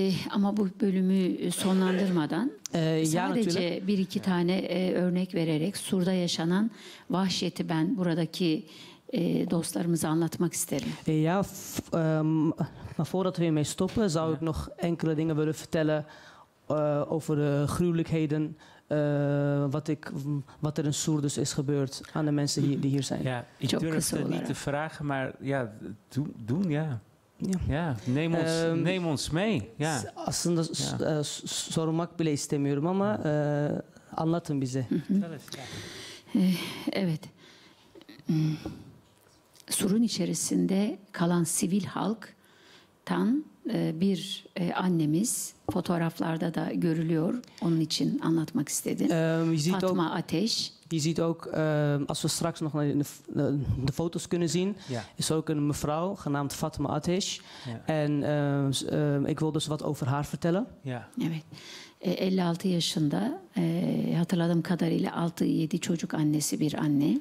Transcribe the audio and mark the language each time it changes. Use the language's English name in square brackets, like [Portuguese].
[Turkish] Ama bu bölümü sonlandırmadan sadece bir iki tane örnek vererek Sur'da yaşanan vahşeti ben buradaki dostlarımıza anlatmak isterim. [Dutch] Maar voordat we hiermee stoppen, zou ik nog enkele dingen willen vertellen over de gruwelijkheden. Wat er in Soer dus is gebeurd aan de mensen die hier zijn. Ja, ik durf het niet te vragen, maar ja, doen ja. Ja. Ja, neem ons mee. Ja. [Turkish] Aslında sormak bile istemiyorum ama anlatın bize. Evet. Sur'un içerisinde kalan sivil halktan bir annemiz, fotoğraflarda da görülüyor, onun için anlatmak istedim. Fatma Ateş. [Dutch] Je ziet ook, als we straks nog de foto's kunnen zien, is ook een mevrouw genaamd Fatma Ateş. Ja. En ik wil dus wat over haar vertellen. Ja. [Turkish] Evet. 56 yaşında, hatırladığım kadarıyla 6-7 çocuk annesi bir anne.